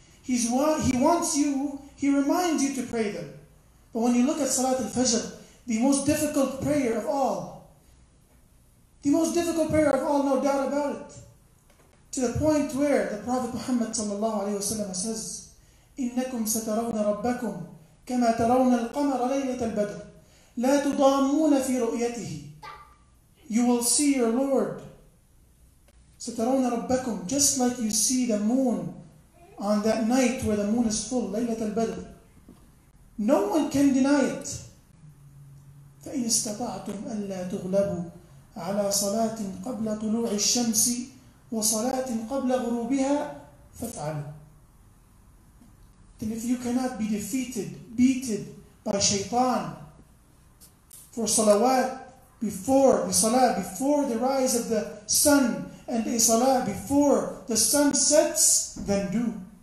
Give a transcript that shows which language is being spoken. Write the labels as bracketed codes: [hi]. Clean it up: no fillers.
[en] He reminds you to pray them. But when you look at Salat al-Fajr, the most difficult prayer of all, the most difficult prayer of all, no doubt about it, to the point where the Prophet Muhammad sallallahu alayhi wa sallam says, [ar] إنكم سترون ربكم كما ترون القمر ليلة البدر لا تضامون في رؤيته. [en] You will see your Lord. [ar] سترون ربكم [en] just like you see the moon on that night where the moon is full, [ar] ليلة البدر. [en] No one can deny it. [ar] فإن استطعتم ألا تغلبوا على صلاة قبل طلوع الشمس وصلاة قبل غروبها فافعلوا. [en] Then if you cannot be defeated, beaten by Shaytan for salawat before the salah, before the rise of the sun and a salah before the sun sets, then do.